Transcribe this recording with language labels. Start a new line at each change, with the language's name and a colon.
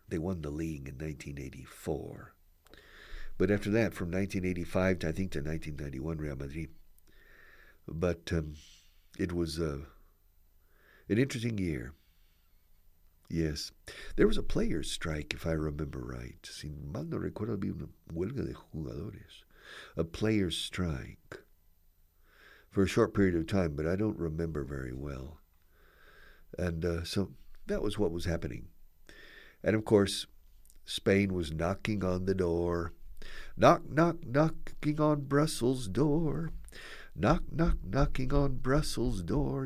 English: They won the league in 1984. But after that, from 1985 to, I think, to 1991, Real Madrid. But it was an interesting year. Yes. There was a player strike, if I remember right.
Spanish: Si mal no recuerdo, había una huelga de jugadores.
English: A player strike for a short period of time, but I don't remember very well. And so that was what was happening. And, of course, Spain was knocking on the door. Knock, knock, knocking on Brussels' door. Knock, knock, knocking on Brussels' door.